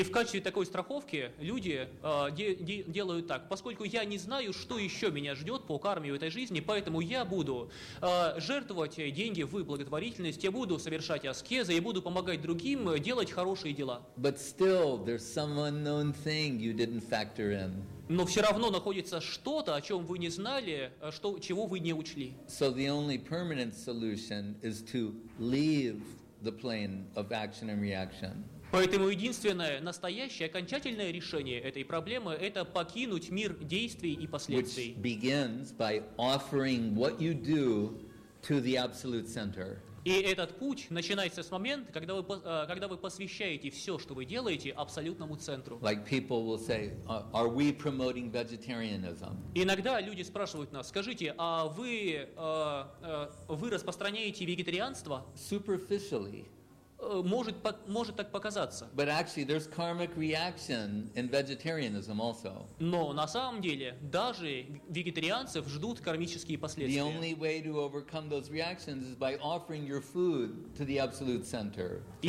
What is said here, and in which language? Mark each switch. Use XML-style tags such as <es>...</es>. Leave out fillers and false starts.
<ru>И в качестве такой страховки люди делают так. Поскольку я не знаю, что еще меня ждет по карме в этой жизни, поэтому я буду жертвовать деньги в благотворительность, я буду совершать аскезы, я буду помогать другим делать хорошие дела.</ru> <en>But still, there's some unknown thing you didn't factor in.</en> <ru>Но все равно находится что-то, о чем вы не знали, чего вы не учли.</ru> <en>So the only permanent solution is to leave the plane of action and reaction.</en> <ru>Поэтому единственное настоящее, окончательное решение этой проблемы – это покинуть мир действий и последствий.</ru> <en>Which begins by offering what you do to the absolute center.</en> <ru>И этот путь начинается с момента, когда вы посвящаете все, что вы делаете, абсолютному центру.</ru> <en>Like people will say, are we promoting vegetarianism?</en> <ru>Иногда люди спрашивают нас, скажите, а вы распространяете вегетарианство?</ru> <en>Superficially.</en> <ru>Может так показаться.</ru> <en>But actually, there's karmic reaction in vegetarianism also.</en> <ru>Но на самом деле даже вегетарианцев ждут кармические последствия.</ru> <en>The only way to overcome those reactions is by offering your food to the absolute center.</en>